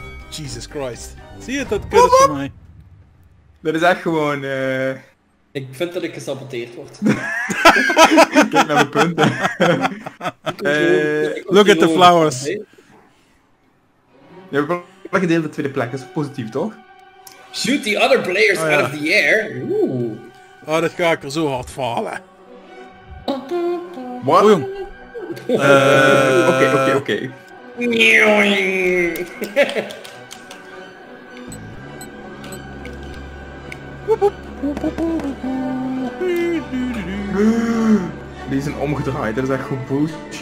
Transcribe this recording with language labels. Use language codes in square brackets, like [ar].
[nl] Jesus Christ. Zie je dat kut voor mij? Dat is echt gewoon... Ik vind dat ik gesaboteerd word. Kijk naar mijn punten. [en] look at the flowers. [nl] Je hebt wel gedeeld de tweede plek. Dat is positief, toch? [en] Shoot the other players out of the air. Oeh. [nl] Oh, dat ga ik er zo hard voor halen. Wat? Oh, jong. Oké. Die zijn omgedraaid, dat is echt goed bullshit.